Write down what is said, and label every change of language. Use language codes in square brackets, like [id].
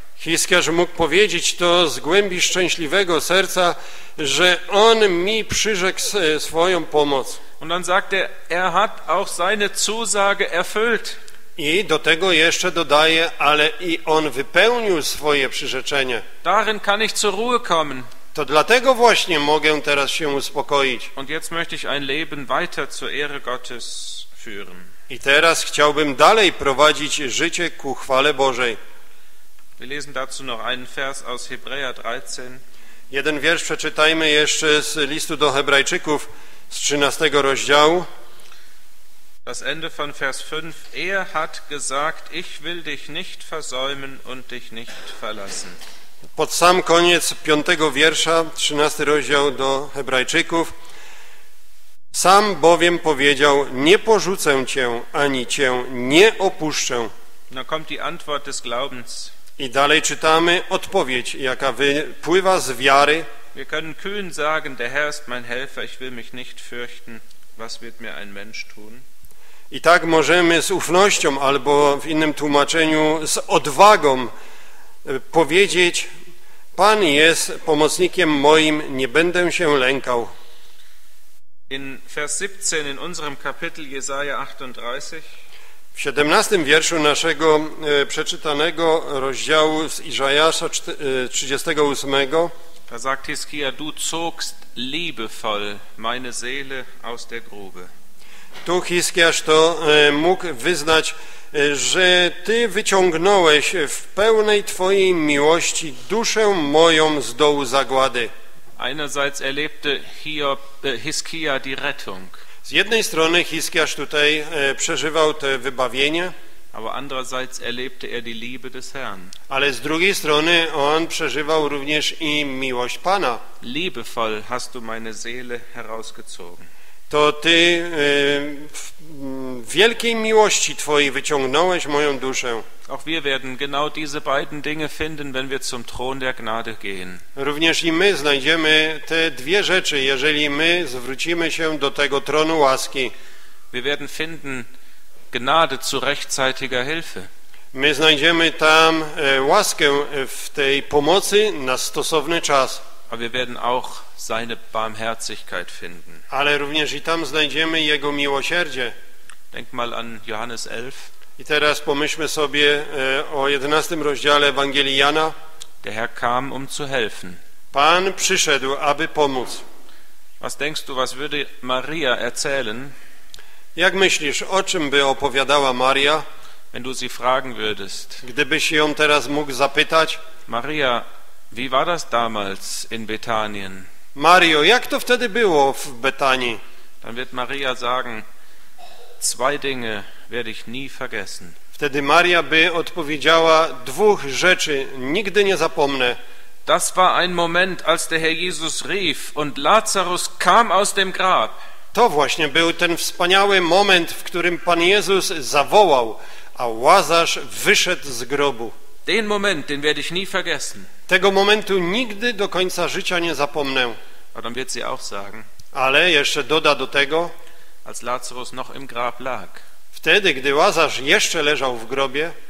[pl] Hiskiasz mógł powiedzieć to z głębi szczęśliwego serca, że on mi przyrzekł swoją pomoc. [de] Und dann sagt er hat auch seine Zusage erfüllt. [pl] I do tego jeszcze dodaje, ale i on wypełnił swoje przyrzeczenie. [de] Darin kann ich zur Ruhe kommen. [pl] To dlatego właśnie mogę teraz się uspokoić. [de] Und jetzt möchte ich ein Leben weiter zur Ehre Gottes führen. [pl] I teraz chciałbym dalej prowadzić życie ku chwale Bożej. [de] Wir lesen dazu noch einen Vers aus Hebräer 13. [pl] Jeden wiersz przeczytajmy jeszcze z listu do Hebrajczyków z 13 rozdziału. [de] Das Ende von Vers 5. Er hat gesagt, ich will dich nicht versäumen und dich nicht verlassen. [pl] Pod sam koniec 5 wiersza, 13 rozdział do Hebrajczyków. Sam bowiem powiedział, nie porzucę cię, ani cię nie opuszczę. [de] No kommt die Antwort des Glaubens. [pl] I dalej czytamy odpowiedź, jaka wypływa z wiary. [de] Wir können kühn sagen, der Herr ist mein Helfer, ich will mich nicht fürchten, was wird mir ein Mensch tun? [pl] I tak możemy z ufnością, albo w innym tłumaczeniu z odwagą powiedzieć, Pan jest pomocnikiem moim, nie będę się lękał. [de] In Vers 17, in unserem Kapitel Jesaja 38, [pl] w 17 wierszu naszego przeczytanego rozdziału z Izajasza 38. [de] Da sagt Hiskia, du zogst liebevoll meine Seele aus der Grube. [pl] Tu Hiskiasz to mógł wyznać, że ty wyciągnąłeś w pełnej twojej miłości duszę moją z dołu zagłady. [de] Einerseits erlebte Hiskia die Rettung. [pl] Z jednej strony Hiskiasz tutaj przeżywał to wybawienie. [de] Aber andererseits erlebte er die Liebe des Herrn. [pl] Ale z drugiej strony on przeżywał również i miłość Pana. [de] Liebevoll hast du meine Seele herausgezogen. [pl] To ty w wielkiej miłości twojej wyciągnąłeś moją duszę. [de] Auch wir werden genau diese beiden Dinge finden, wenn wir zum Thron der Gnade gehen. [pl] Również i my znajdziemy te dwie rzeczy, jeżeli my zwrócimy się do tego tronu łaski. [de] Wir werden finden Gnade zu rechtzeitiger Hilfe. [pl] My znajdziemy tam łaskę w tej pomocy na stosowny czas. [de] Aber wir werden auch seine Barmherzigkeit finden. [pl] Ale również i tam znajdziemy jego miłosierdzie. [de] Denk mal an Johannes 11. [pl] I teraz pomyślmy sobie o 11 rozdziale Ewangelii Jana. [de] Der Herr kam, um zu helfen. [pl] Pan przyszedł, aby pomóc. [de] Was denkst du, was würde Maria erzählen? [pl] Jak myślisz, o czym by opowiadała Maria, [de] wenn du sie fragen würdest? [pl] Gdybyś ją teraz mógł zapytać: [de] Maria, wie war das damals in Betanien? [pl] Mario, jak to wtedy było w Betanii? [de] Dann wird Maria sagen: Zwei Dinge werde ich nie vergessen. [pl] Wtedy Maria by odpowiedziała: dwóch rzeczy nigdy nie zapomnę. [de] Das war ein Moment, als der Herr Jesus rief und Lazarus kam aus dem Grab. [pl] To właśnie był ten wspaniały moment, w którym Pan Jezus zawołał, a Łazarz wyszedł z grobu. [de] Den Moment, den werde ich nie vergessen. [pl] Tego momentu nigdy do końca życia nie zapomnę. [de] Aber dann wird sie auch sagen. [pl] Ale jeszcze doda do tego, [de] als Lazarus noch im Grab lag. [pl] Wtedy, gdy Łazarz jeszcze leżał w grobie,